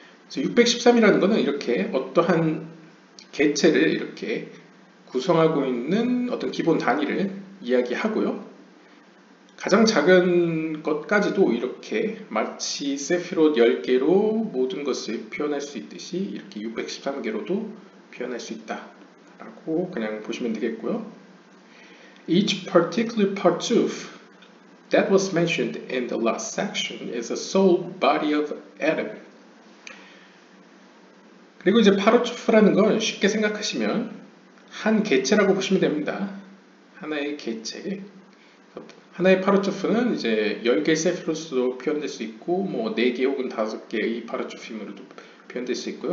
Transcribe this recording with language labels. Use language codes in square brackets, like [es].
[ko] 그래서 613이라는 것은 이렇게 어떠한 개체를 이렇게 구성하고 있는 어떤 기본 단위를 이야기하고요. 가장 작은 것까지도 이렇게 마치 세피롯 10개로 모든 것을 표현할 수 있듯이 이렇게 613개로도 표현할 수 있다라고 그냥 보시면 되겠고요. [en] Each particular part of that was mentioned in the last section is a soul body of Adam. [ko] 그리고 이제 파르투프라는 건 쉽게 생각하시면 한 개체라고 보시면 됩니다. 하나의 개체. 하나의 파르투프는 이제 10개의 세피로스로 표현될 수 있고, 뭐 4개 혹은 5개의 파르투프임으로도 표현될 수 있고요.